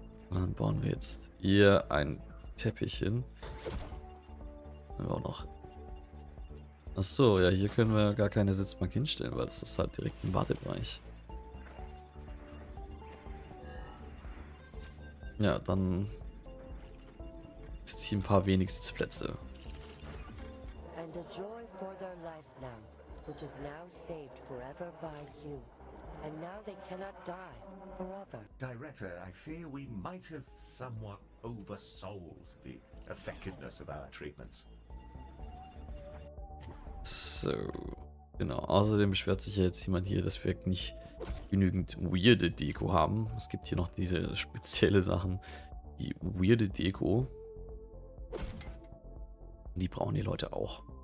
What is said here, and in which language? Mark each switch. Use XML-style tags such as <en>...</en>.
<de>Und dann bauen wir jetzt hier ein Teppich hin. Wir auch noch. Achso, ja, hier können wir gar keine Sitzbank hinstellen, weil das ist halt direkt im Wartebereich. Ja, dann jetzt hier ein paar wenig Sitzplätze.</de> <en>And the joy for their life now, which is now saved forever by you. And now they cannot die forever. Director, I fear we might have somewhat oversold the effectiveness of our treatments.</en> <de>So, genau. Außerdem beschwert sich ja jetzt jemand hier, dass wir nicht genügend weirde Deko haben. Es gibt hier noch diese spezielle Sachen, die weirde Deko. Die brauchen die Leute auch.</de>